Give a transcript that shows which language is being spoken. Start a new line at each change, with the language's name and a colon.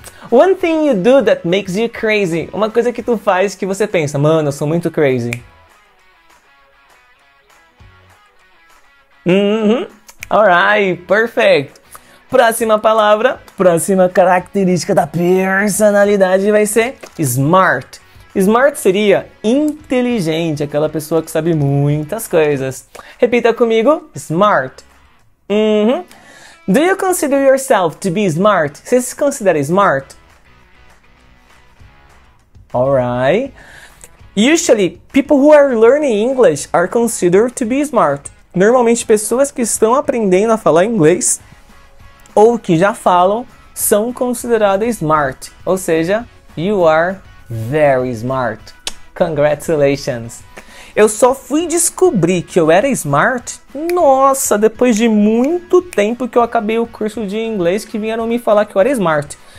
English: One thing you do that makes you crazy.
Portuguese: Uma coisa que tu faz que você pensa: mano, eu sou muito crazy.
English: Alright, perfect.
Portuguese: Próxima palavra, próxima característica da personalidade vai ser smart. Smart seria inteligente, aquela pessoa que sabe muitas coisas. Repita comigo:
English: smart. Do you consider yourself to be smart?
Portuguese: Você se considera smart?
English: Alright. Usually, people who are learning English are considered to be smart.
Portuguese: Normalmente, pessoas que estão aprendendo a falar inglês ou que já falam são consideradas smart. Ou seja,
English: you are very smart. Congratulations!
Portuguese: Eu só fui descobrir que eu era smart, nossa, depois de muito tempo que eu acabei o curso de inglês que vieram me falar que eu era smart.